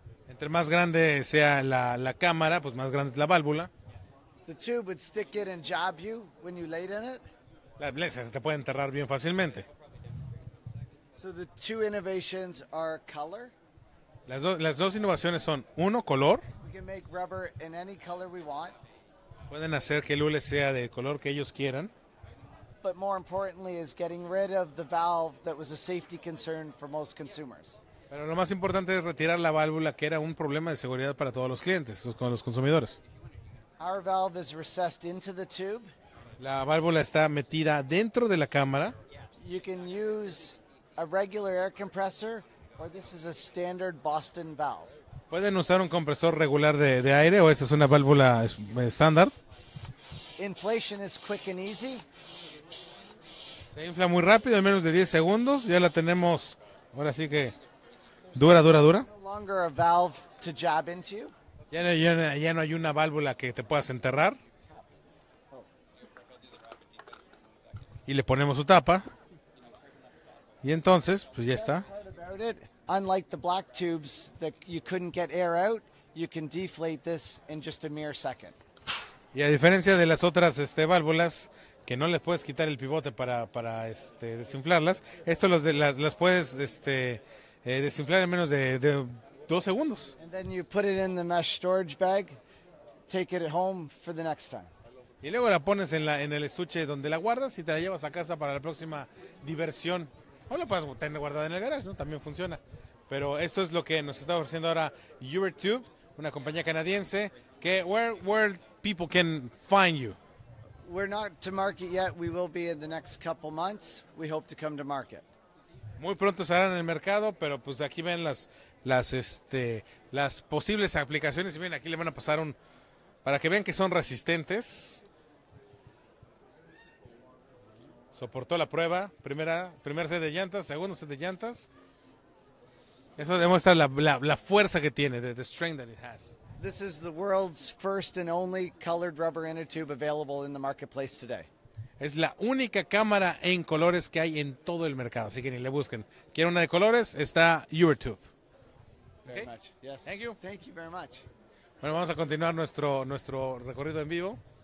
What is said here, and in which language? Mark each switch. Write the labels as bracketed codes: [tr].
[es] Entre más grande sea la cámara, pues más grande es la válvula. [en] The tube would stick in and jab you when you laid in it. [es] La iglesia se te puede enterrar bien fácilmente. [en] So the two innovations are color. [es] Las dos innovaciones son, uno, color. [en] We can make rubber in any color we want. [es] Pueden hacer que el hule sea del color que ellos quieran. [en] But more importantly is getting rid of the valve that was a safety concern for most consumers. [es] Pero lo más importante es retirar la válvula, que era un problema de seguridad para todos los clientes, con los consumidores. [en] Our valve is recessed into the tube. [es] La válvula está metida dentro de la cámara. [en] You can use a regular air compressor, or this is a standard Boston valve. [es] Pueden usar un compresor regular de aire, o esta es una válvula estándar. [en] Inflation is quick and easy. [es] Se infla muy rápido, en menos de 10 segundos. Ya la tenemos, ahora sí que... Dura. [en] No longer a valve to jab into you. [es] Ya no hay una válvula que te puedas enterrar. Y le ponemos su tapa. Y entonces, pues ya está. [en] Unlike the black tubes that you couldn't get air out, you can deflate this in just a mere second. [es] Y a diferencia de las otras válvulas que no les puedes quitar el pivote para desinflarlas, esto las puedes desinflar en menos de 2 segundos. [en] And then you put it in the mesh storage bag, take it home for the next time. [es] Y luego la pones en el estuche donde la guardas y te la llevas a casa para la próxima diversión. O la puedes tener guardada en el garage, ¿no? También funciona. Pero esto es lo que nos está ofreciendo ahora YourTube, una compañía canadiense, que [en] where people can find you. We're not to market yet. We will be in the next couple months. We hope to come to market. [es] Muy pronto estarán en el mercado, pero pues aquí ven las posibles aplicaciones. Y miren, aquí le van a pasar un... para que vean que son resistentes. Soportó la prueba. Primer set de llantas, segundo set de llantas. Eso demuestra la fuerza que tiene, [en] the strength that it has. This is the world's first and only colored rubber inner tube available in the marketplace today. [es] Es la única cámara en colores que hay en todo el mercado, así que ni le busquen. ¿Quieren una de colores? Está YourTube. [en] Okay? Very much. Yes. Thank you. Thank you very much. [es] Bueno, vamos a continuar nuestro recorrido en vivo.